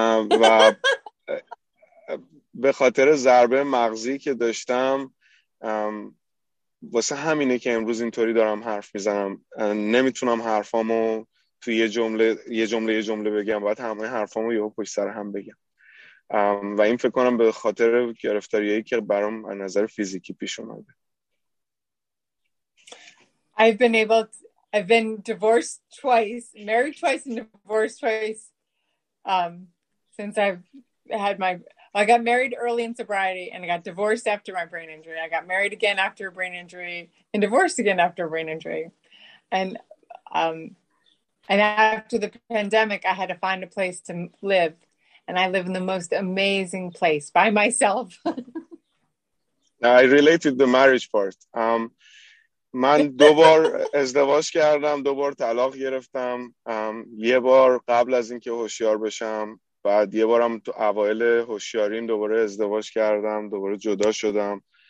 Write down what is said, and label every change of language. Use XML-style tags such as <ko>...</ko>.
<fa>و به خاطر ضربه مغزی که داشتم واسه همینه که امروز اینطوری دارم حرف میزنم. نمیتونم حرفامو توی یه جمله بگم، باید همه حرفامو یهو پشت سر هم بگم. و این فکر کنم به خاطر گرفتاریایی که برام از نظر فیزیکی پیش اومده.</fa> <en>I've been divorced twice, married twice and divorced twice since I got married early in sobriety and I got divorced after my brain injury. I got married again after a brain injury and divorced again after a brain injury. And after the pandemic, I had to find a place to live. And I live in the most amazing place by myself. I related the marriage part.</en> <fa>من دو بار ازدواج کردم، دو بار طلاق گرفتم. یه بار قبل از اینکه هوشیار بشم، بعد یه بارم تو اوائل هوشیاریم دوباره ازدواج کردم، دوباره جدا شدم.</fa>